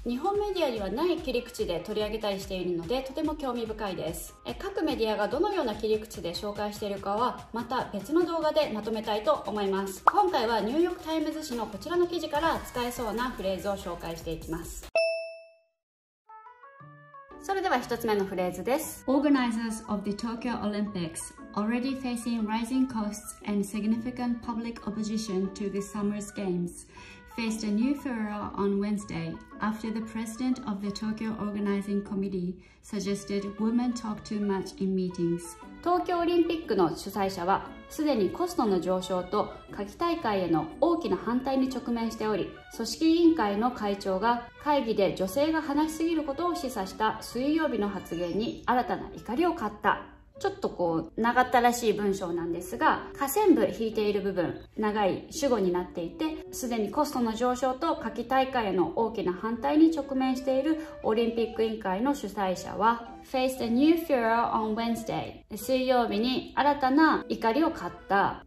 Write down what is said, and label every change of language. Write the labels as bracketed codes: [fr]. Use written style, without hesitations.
[ja] 日本メディアにはない切り口で取り上げたりしているのでとても興味深いです。各メディアがどのような切り口で紹介しているかはまた別の動画でまとめたいと思います。今回はニューヨークタイムズ紙のこちらの記事から使えそうなフレーズを紹介していきます。それでは一つ目のフレーズです。 [en] Organizers of the Tokyo Olympics already facing rising costs and significant public opposition to the summer's games faced a new furor on Wednesday after the president of the Tokyo Organizing Committee suggested women talk too much in meetings. [ja] 東京オリンピックの主催者はすでにコストの上昇と夏季大会への大きな反対に直面しており、組織委員会の会長が会議で女性が話しすぎることを示唆した水曜日の発言に新たな怒りを買った。ちょっとこう長ったらしい文章なんですが、下線部引いている部分、長い主語になっていて、すでにコストの上昇と夏季大会への大きな反対に直面しているオリンピック委員会の主催者は [en] Faced a new furor on Wednesday [ja] 水曜日に新たな怒りを買った。